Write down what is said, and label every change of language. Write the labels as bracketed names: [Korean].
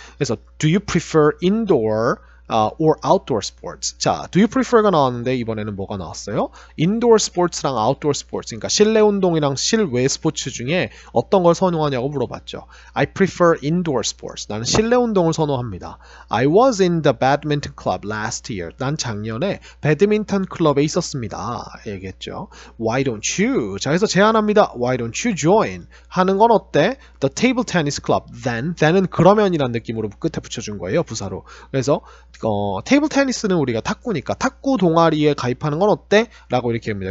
[English] 그래서 do you prefer indoor or outdoor sports. [Korean] 자, do you prefer가 나왔는데 이번에는 뭐가 나왔어요? Indoor sports랑 outdoor sports. 그러니까 실내 운동이랑 실외 스포츠 중에 어떤 걸 선호하냐고 물어봤죠. [English] I prefer indoor sports. [Korean] 나는 실내 운동을 선호합니다. [English] I was in the badminton club last year. [Korean] 난 작년에 배드민턴 클럽에 있었습니다. 얘기했죠. Why don't you? 자, 그래서 제안합니다. Why don't you join? 하는 건 어때? [English] The table tennis club. [Korean] Then은 그러면이란 느낌으로 끝에 붙여준 거예요. 부사로. 그래서 테이블 테니스는 우리가 탁구니까 탁구 동아리에 가입하는 건 어때? 라고 이렇게 합니다.